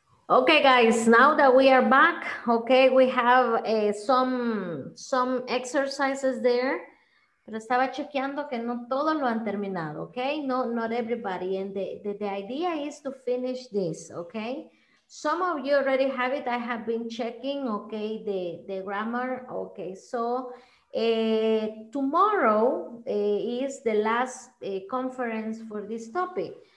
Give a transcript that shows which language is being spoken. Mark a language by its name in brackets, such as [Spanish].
[English] Okay, guys, now that we are back, okay, we have some exercises there. [Spanish] Pero estaba chequeando que no todos lo han terminado, okay? [English] No, not everybody. And the idea is to finish this, okay? Some of you already have it. I have been checking, okay, the grammar. Okay, so tomorrow is the last conference for this topic.